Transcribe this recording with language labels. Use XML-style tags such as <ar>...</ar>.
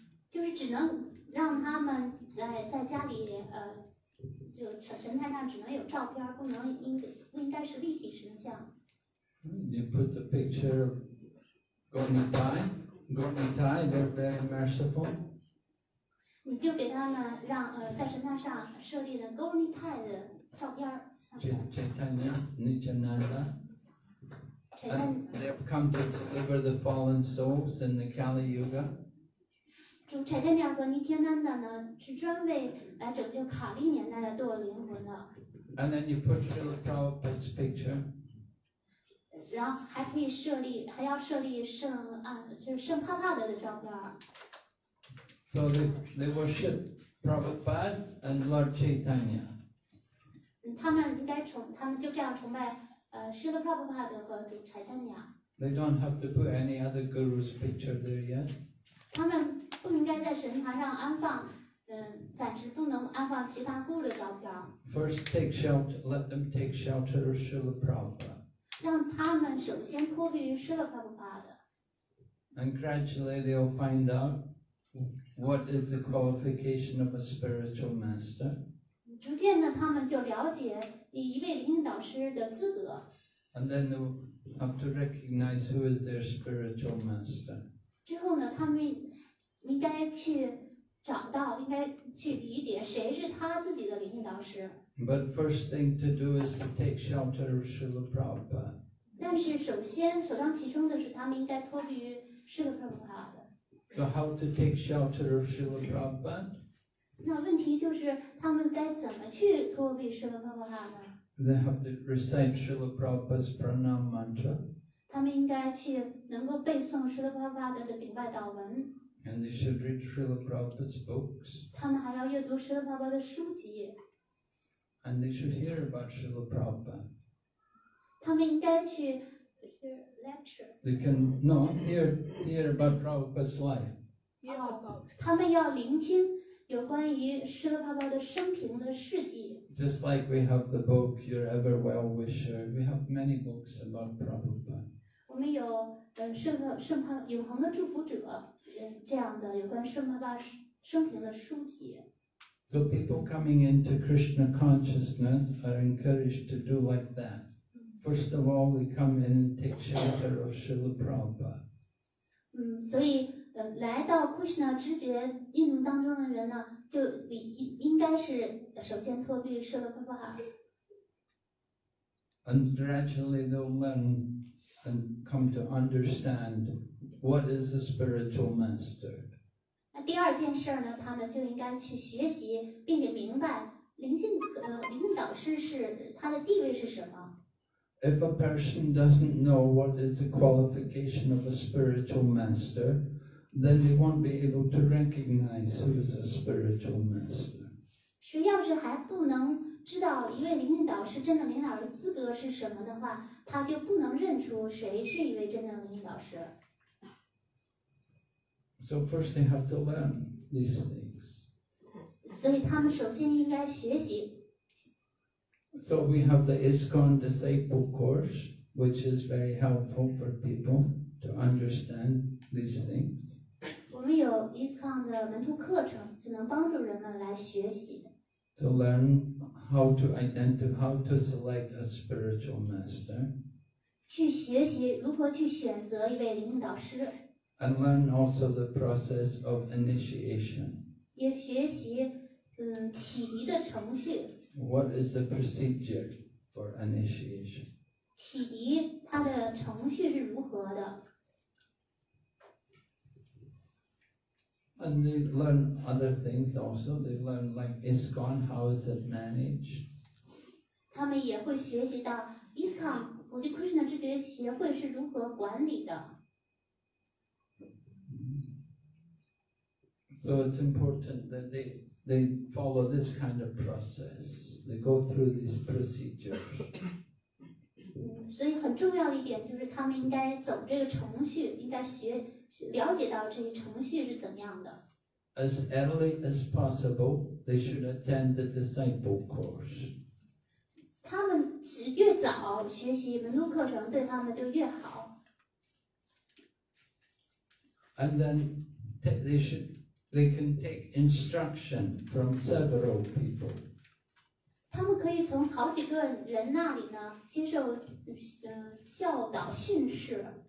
<zh>就是只能让他们 在家里就神态上只能有照片，不能应该是立体神像。</zh> <en>You put the picture of Gornitai, Gornitai, they're very merciful.</en> <zh>你就给他们让在神态上设立了 Gornitai 的照片。</zh> <en>Chaitanya, Nityananda. They have come to deliver the fallen souls in the Kali Yuga.</en> <zh>主柴田鸟和尼天丹丹呢，是专为来拯救卡利年代的堕落灵魂的。</zh> <en>And then you put Srila Prabhupada's picture.</en> <zh>然后还可以设立，还要设立圣帕帕德的照片。</zh> <en>So they worship Prabhupada and Lord Chaitanya.</en> <zh>他们应该崇，他们就这样崇拜。 Srila Prabhupada 和主柴丹雅。</zh> <en>They don't have to put any other guru's picture there yet.</en> <zh>他们不应该在神坛上安放，暂时不能安放其他 guru 的照片。</zh> <en>First, take shelter. Let them take shelter of Srila Prabhupada.</en> <zh>让他们首先托庇于 Srila Prabhupada。</zh> <en>And gradually they'll find out what is the qualification of a spiritual master.</en> <zh>逐渐的，他们就了解。一位灵性导师的资格。</zh> <en>And then they have to recognize who is their spiritual master.</en> <zh>之后呢，他们应该去找到，应该去理解谁是他自己的灵性导师。</zh> <en>But first thing to do is to take shelter of Srila Prabhupada.</en> <zh>但是首先首当其冲的是，他们应该托庇于 Srila Prabhupada。</zh> <en>So how to take shelter of Srila Prabhupada?</en> <zh>那问题就是他们该怎么去托庇舍勒帕帕帕呢？</zh> <en>They have to recite Srila Prabhupada's pranam mantra.</en> <zh>他们应该去能够背诵舍勒帕帕的顶拜祷文。</zh> <en>And they should read Srila Prabhupada's books.</en> <zh>他们还要阅读舍勒帕帕的书籍。</zh> <en>And they should hear about Srila Prabhupada.</en> <zh>他们应该去</zh> <en>hear lectures. They can hear about Prabhupada's life. Hear about.</en> <zh>他们要聆听。有关于舍勒帕帕的生平的事迹。</zh> <en>Just like we have the book Your Ever Well Wisher, we have many books about Prabhupada.</en> <zh>我们有永恒的祝福者，这样的有关舍勒帕帕生平的书籍。</zh> <en>So people coming into Krishna consciousness are encouraged to do like that. First of all, we come in and take shelter of Srila Prabhupada.</en> <zh>所以。来到 Krishna 知觉运动当中的人呢，就应该是首先托庇舍勒帕帕。</zh> <en>And gradually they'll learn and come to understand what is a spiritual master.</en> <zh>那第二件事呢，他们就应该去学习，并且明白灵性导师是他的地位是什么。</zh> <en>If a person doesn't know what is the qualification of a spiritual master. Then they won't be able to recognize who is a spiritual master.</en> <zh>谁要是还不能知道一位灵性导师真正领导的资格是什么的话，他就不能认出谁是一位真正灵性导师。</zh> <en>So first they have to learn these things.</en> <zh>所以他们首先应该学习。</zh> <en>So we have the ISKCON Disciple Course, which is very helpful for people to understand these things.</en> <zh>我们有 ISKCON 的门徒课程，是能帮助人们来学习的。</zh> <en>To learn how to identify, how to select a spiritual master.</en> <zh>去学习如何去选择一位灵性导师。</zh> <en>And learn also the process of initiation.</en> <zh>也学习起鱼的程序。</zh> <en>What is the procedure for initiation?</en> <zh>起鱼它的程序是如何的？</zh> <en>And they learn other things also. They learn like ISKCON, how is it managed?</en> <zh>他们也会学习到 ISKCON 国际 Krishna 智觉协会是如何管理的。</zh> <en>So it's important that they follow this kind of process. They go through these procedures.</en> <zh>所以很重要的一点就是他们应该走这个程序，应该学了解到这些程序是怎样的。</zh> <en>As early as possible, they should attend the disciple course.</en> <zh>他们越早学习门徒课程，对他们就越好。</zh> <en>And then they can take instruction from several people.</en> <zh>他们可以从好几个人那里呢接受教导训示。</zh>